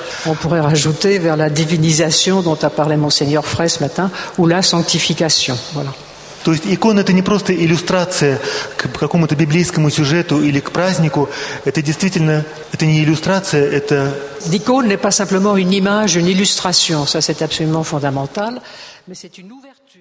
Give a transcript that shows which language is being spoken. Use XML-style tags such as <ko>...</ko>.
<fr>On pourrait rajouter vers la divinisation dont a parlé Monseigneur Frey ce matin, ou la sanctification. Voilà.</fr> <ru>То есть икона это не просто иллюстрация к какому-то библейскому сюжету или к празднику, это действительно это не иллюстрация, это.</ru> <fr>L'icône n'est pas simplement une image, une illustration. Ça c'est absolument fondamental, mais c'est une ouverture.</fr>